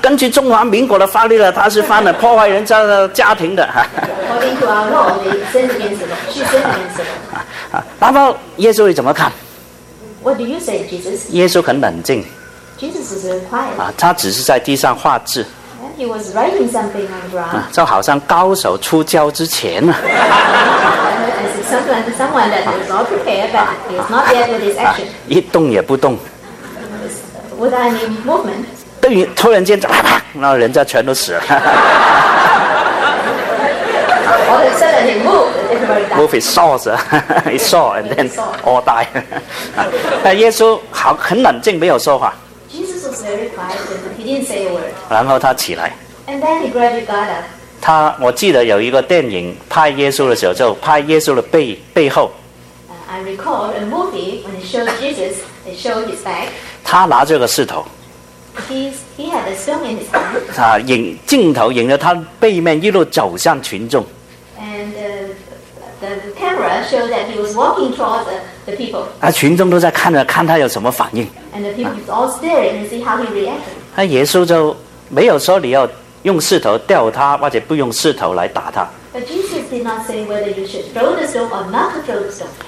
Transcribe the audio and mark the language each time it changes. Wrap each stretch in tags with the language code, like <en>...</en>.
<zh>根据中华民国的法律呢，她是犯了破坏人家的家庭的。</zh> <en>According to our law, they sinned against the law. She sinned against the law.</en> <zh>那么耶稣你怎么看？</zh> <en>What do you say, Jesus?</en> <zh>耶稣很冷静。</zh> <en>Jesus is very quiet.</en> <zh>他只是在地上画字。</zh> <en>And he was writing something on the ground.</en> <zh>就好像高手出鞘之前呢。</zh> <en>As if someone that is all prepared, but he is not yet with his action.</en> <zh>一动也不动。</zh> <en>Without any movement,</en> <zh>突然间啪啪，那人家全都死了。</zh> <en>All of a sudden, he moved. Everybody died. Move his swords. He saw and then all died.</en> <zh>耶稣好很冷静，没有说话。</zh> <en>Jesus was very quiet. He didn't say a word.</en> <zh>然后他起来。</zh> <en>And then he gradually got up.</en> <zh>我记得有一个电影拍耶稣的时候，就拍耶稣的背后。</zh> <en>I recall a movie when it showed Jesus. It showed his back.</en> <zh>他拿着个石头，</zh> <en>he had a stone in his hand.</en> <zh>镜头迎着他背面一路走向群众。</zh> <en>And the camera showed that he was walking towards the people.</en> <zh>群众都在看着，看他有什么反应。</zh> <en>And the people was all staring and see how he reacted.</en> <zh>耶稣就没有说你要用石头吊他，或者不用石头来打他。</zh> <en>But Jesus did not say whether you should throw the stone or not throw the stone.</en>